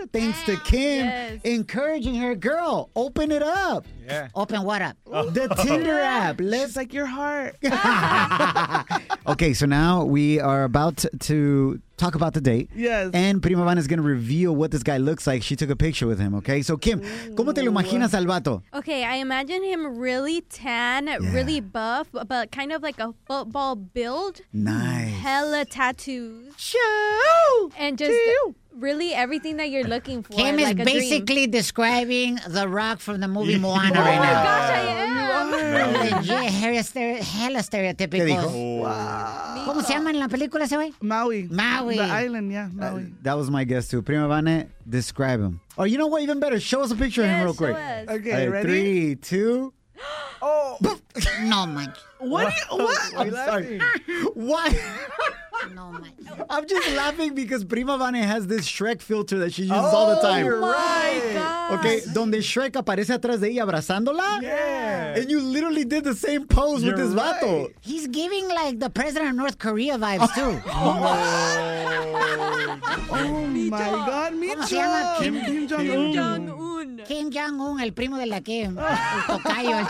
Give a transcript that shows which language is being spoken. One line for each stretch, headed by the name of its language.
English: Thanks to Kim encouraging her. Girl, open it up. Yeah. Open what up? The Tinder app. She's like your heart. Okay, so now we are about to talk about the date. Yes. And Prima Vane is going to reveal what this guy looks like. She took a picture with him, okay?
Spanish: So, Kim, ¿cómo te lo imaginas al vato?
English: Okay, I imagine him really tan, really buff, but kind of like a football build. Nice. Hella tattoos. Show! And just... Really, everything that you're looking for. Kim is like a basically dream. Describing The Rock from the movie Moana right now. Oh my gosh, I am. Hella stereotypical.
Spanish: ¿Qué dijo? Wow. ¿Cómo se llama en la película ese güey?
English: Maui. The island, Maui. That was my guess too. Prima Vane, describe him. Oh, you know what? Even better. Show us a picture of him real quick. Show us. Okay, ready? Three, two. Oh. No, Mike. What? I'm sorry. What? No, I'm just laughing because Prima Vane has this Shrek filter that she uses all the time. Oh, my God.
Spanish: Okay, donde Shrek aparece atrás de ella abrazándola.
English: Yeah. And you literally did the same pose with this vato. He's giving, like, the president of North Korea vibes, too. Oh, my God, Micho. Kim Jong-un.
Spanish: Kim Jong-un, el primo de la Kim. El tocayo.